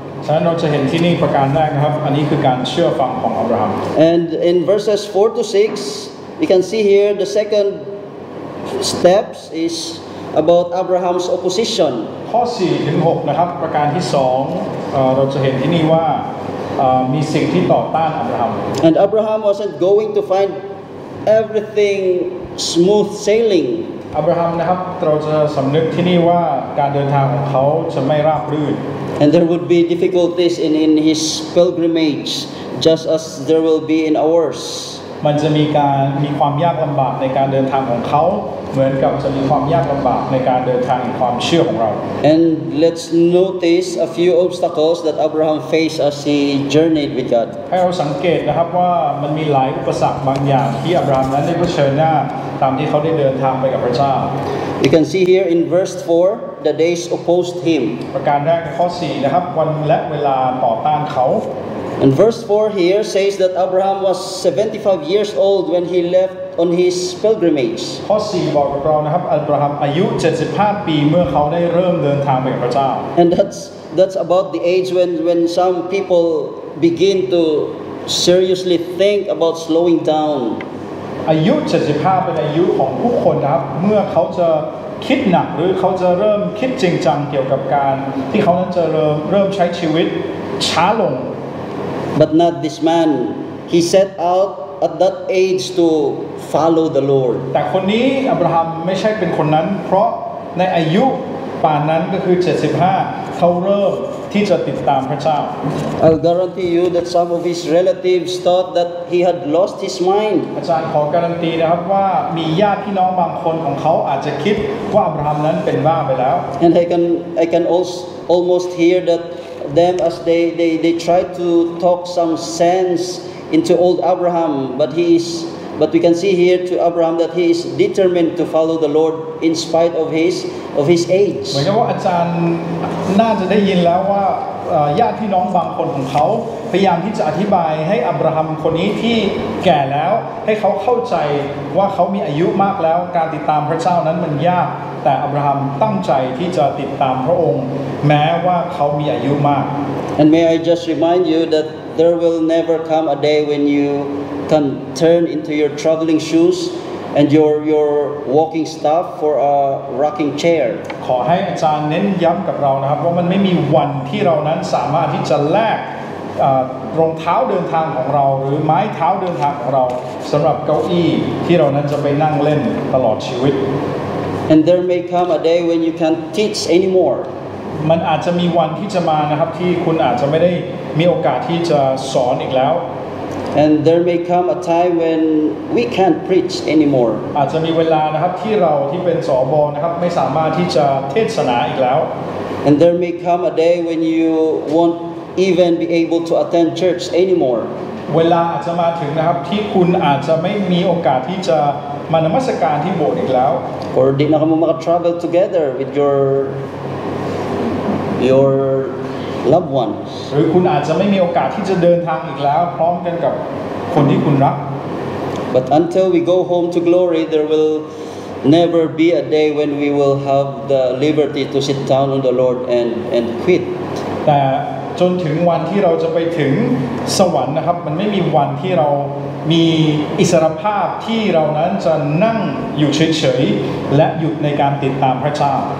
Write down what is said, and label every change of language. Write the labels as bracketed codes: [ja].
[th] ฉะนั้นเราจะเห็นที่นี่ประการแรกนะครับอันนี้คือการเชื่อฟังของอับราฮัม [en] And in verses 4 to 6 we can see here the second steps is about Abraham's opposition [th] ข้อ4ถึง6นะครับประการที่2เราจะเห็นที่นี่ว่ามีสิ่งที่ต่อต้านอับราฮัม [en] And Abraham wasn't going to find everything smooth sailing [th] Abraham นะครับเราจะสำนึกที่นี่ว่าการเดินทางของเขาจะไม่ราบรื่น [en] And there would be difficulties in his pilgrimage, just as there will be in ours. [th] มันจะมีการมีความยากลำบากในการเดินทางของเขาเหมือนกับจะมีความยากลำบากในการเดินทางในความเชื่อของเรา [en] And let's notice a few obstacles that Abraham faced as he journeyed with God. [th] ให้เราสังเกตนะครับว่ามันมีหลายอุปสรรคบางอย่างที่อับราฮัมนั้นได้เผชิญหน้าตามที่เขาได้เดินทางไปกับพระเจ้า [en] You can see here in verse 4. The days opposed him. [th] ประการแรกข้อ 4 นะครับ วันและเวลาต่อต้านเขา [en] And verse 4 here says that Abraham was 75 years old when he left on his pilgrimage. [th] ข้อ 4 บอกเรานะครับ อับราฮัมอายุ 75 ปีเมื่อเขาได้เริ่มเดินทางไปกับพระเจ้า [en] And that's about the age when some people begin to seriously think about slowing down. [th] อายุ 75 เป็นอายุของผู้คนนะครับเมื่อเขาจะคิดหนักหรือเขาจะเริ่มคิดจริงจังเกี่ยวกับการที่เขานั้นจะเริ่มใช้ชีวิตช้าลง [en] But not this man. He set out at that age to follow the Lord. [th] แต่คนนี้อับราฮัมไม่ใช่เป็นคนนั้นเพราะในอายุป่านนั้นก็คือ75เขาเริ่มที่จะติดตามพระเจ้า [en] I'll guarantee you that some of his relatives thought that he had lost his mind [th] อาจารย์ขอการันตีนะครับว่ามีญาติพี่น้องบางคนของเขาอาจจะคิดว่าอับราฮัมนั้นเป็นบ้าไปแล้ว [en] And I can almost hear that them as they try to talk some sense into old Abraham but we can see here to Abraham that he is determined to follow the Lord in spite of his age [th] เหมือนกับว่าอาจารย์น่าจะได้ยินแล้วว่าญาติพี่น้องบางคนของเขาพยายามที่จะอธิบายให้อับราฮัมคนนี้ที่แก่แล้วให้เขาเข้าใจว่าเขามีอายุมากแล้วการติดตามพระเจ้านั้นมันยากแต่อับราฮัมตั้งใจที่จะติดตามพระองค์แม้ว่าเขามีอายุมาก [en] And may I just remind you that there will never come a day when you can turn into your traveling shoes and your walking staff for a rocking chair [th] ขอให้อาจารย์เน้นย้ำกับเรานะครับว่ามันไม่มีวันที่เรานั้นสามารถที่จะแลกรองเท้าเดินทางของเราหรือไม้เท้าเดินทางของเราสำหรับเก้าอี้ที่เรานั้นจะไปนั่งเล่นตลอดชีวิต [en] And there may come a day when you can't teach anymore [th] มันอาจจะมีวันที่จะมานะครับที่คุณอาจจะไม่ได้มีโอกาสที่จะสอนอีกแล้ว [en] And there may come a time when we can't preach anymore. [th] อาจจะมีเวลานะครับที่เราที่เป็นสบนะครับไม่สามารถที่จะเทศนาอีกแล้ว [en] And there may come a day when you won't even be able to attend church anymore. [th] เวลาอาจจะมาถึงนะครับที่คุณอาจจะไม่มีโอกาสที่จะมานมัสการที่โบสถ์อีกแล้ว [en] Or did not come to travel together with your loved ones [th] หรือคุณอาจจะไม่มีโอกาสที่จะเดินทางอีกแล้วพร้อมกันกับคนที่คุณรัก [en] But until we go home to glory there will never be a day when we will have the liberty to sit down on the Lord and quit [th] แต่จนถึงวันที่เราจะไปถึงสวรรค์นะครับมันไม่มีวันที่เรามีอิสรภาพที่เรานั้นจะนั่งอยู่เฉยๆและหยุดในการติดตามพระเจ้า